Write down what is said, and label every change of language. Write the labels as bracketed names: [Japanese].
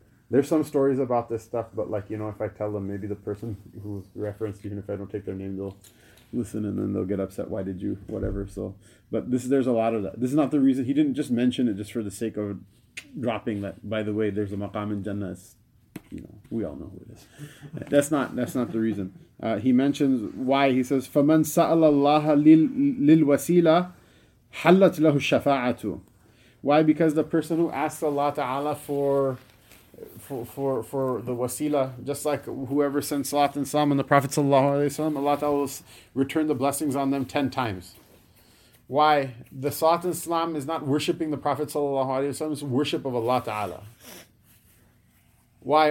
[English] There's some stories about this stuff, but like, you know, if I tell them, maybe the person who's referenced, even if I don't take their name, they'll listen and then they'll get upset. Why did you, whatever. So, but there's a lot of that. This is not the reason. He didn't just mention it just for the sake of dropping that, by the way, there's a maqam in Jannah. It's, you know, we all know who it is. That's not the reason. He mentions why. He says, [Arabic] فَمَنْ سَأَلَ اللَّهَ لِلْوَسِيلَ حَلَّتْ لَهُ الشَّفَاعَةُ. [English] Why? Because the person who asks Allah Ta'ala for the wasila, just like whoever sends Salat and Salam on the Prophet sallallahu alaihi wasallam, Allah Ta'ala will return the blessings on them 10 times. Why? The Salat and Salam is not worshipping the Prophet sallallahu alaihi wasallam, it's worship of Allah Ta'ala. Why?